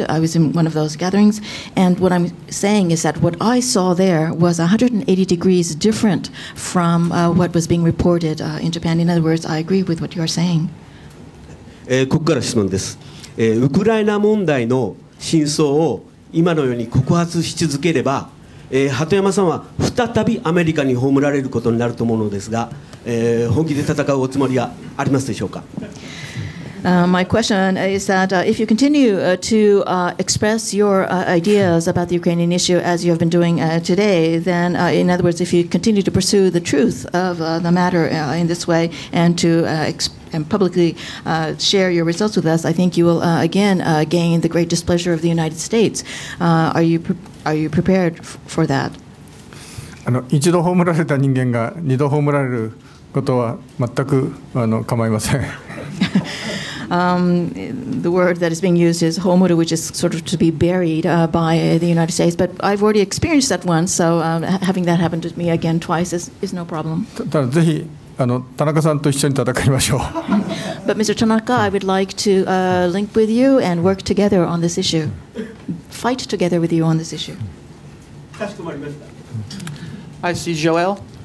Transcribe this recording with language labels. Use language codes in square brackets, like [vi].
[en] I was in one of those gatherings. And what I'm saying is that what I saw there was 180 degrees different from what was being reported in Japan. In other words, I agree with what you're saying. [ja] ここから質問です。ウクライナ問題の真相を今のように告発し続ければ、鳩山さんは再びアメリカに葬られることになると思うのですが、本気で戦うおつもりはありますでしょうか。 [en] My question is that if you continue to express your ideas about the Ukrainian issue as you have been doing today, then in other words, if you continue to pursue the truth of the matter in this way and to and publicly share your results with us, I think you will again gain the great displeasure of the United States. Are you prepared for that? [ja] 一度葬られた人間が二度葬られることは全く構いません。 [en] The word that is being used is homuru, which is sort of to be buried by the United States. But I've already experienced that once, so having that happen to me again twice is no problem. [ja] ぜひ田中さんと一緒に戦いましょう。 [en] But Mr. Tanaka, I would like to link with you and work together on this issue. Fight together with you on this issue. I see Joel.